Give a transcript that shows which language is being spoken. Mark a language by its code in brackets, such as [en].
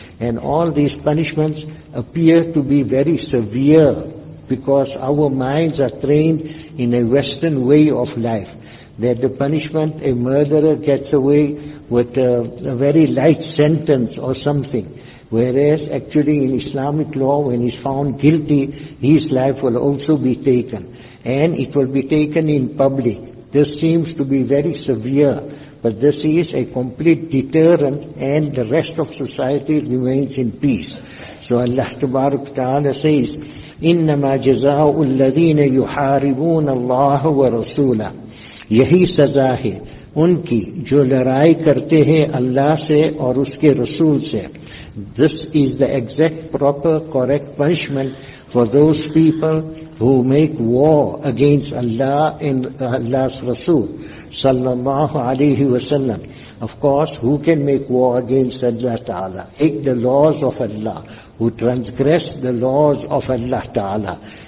[en] And all these punishments appear to be very severe, because our minds are trained in a Western way of life, that the punishment, a murderer gets away with a very light sentence or something, whereas actually in Islamic law, when he's found guilty, his life will also be taken, and it will be taken in public. This seems to be very severe, but this is a complete deterrent, and the rest of society remains in peace. So Allah Tabaraka Ta'ala says, [ar] إِنَّمَا جَزَاءُ الَّذِينَ يُحَارِبُونَ اللَّهَ وَرَسُولَهُ. [ur] یہی سزا ہے ان کی جو لڑائی کرتے ہیں اللہ سے اور اس کے رسول سے. [en] This is the exact proper correct punishment for those people who make war against Allah and Allah's Rasul sallallahu alayhi wa sallam. Of course, who can make war against Allah Ta'ala? Take the laws of Allah, who transgress the laws of Allah Ta'ala.